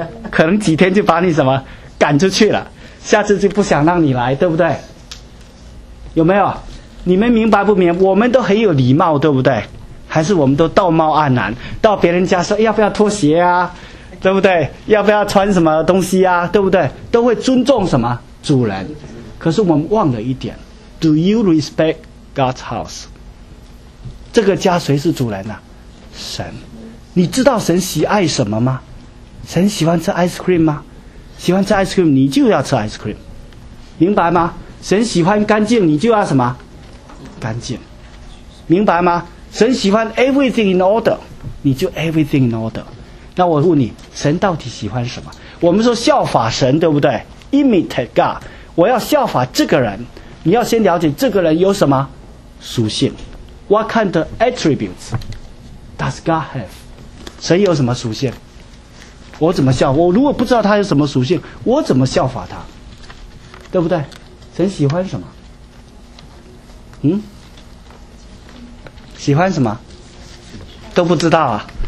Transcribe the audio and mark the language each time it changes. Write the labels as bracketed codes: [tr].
[zh] 可能几天就把你什么赶出去了，下次就不想让你来，对不对？有没有？你们明白不明白？我们都很有礼貌，对不对？还是我们都道貌岸然，到别人家说要不要脱鞋啊，对不对？要不要穿什么东西啊，对不对？都会尊重什么主人。可是我们忘了一点， [en] Do you respect God's house? [zh] 这个家谁是主人呢？神。你知道神喜爱什么吗？神喜欢吃 ice cream 吗？喜欢吃 ice cream， 你就要吃 ice cream， 明白吗？神喜欢干净，你就要什么？干净，明白吗？神喜欢 [en] everything in order， [zh] 你就 everything in order。那我问你，神到底喜欢什么？我们说效法神，对不对？ [en] imitate God， [zh] 我要效法这个人。你要先了解这个人有什么属性， [en] what kind of attributes does God have？ [zh] 神有什么属性？我怎么效？我如果不知道他有什么属性，我怎么效法他？对不对？神喜欢什么？嗯？喜欢什么？都不知道啊。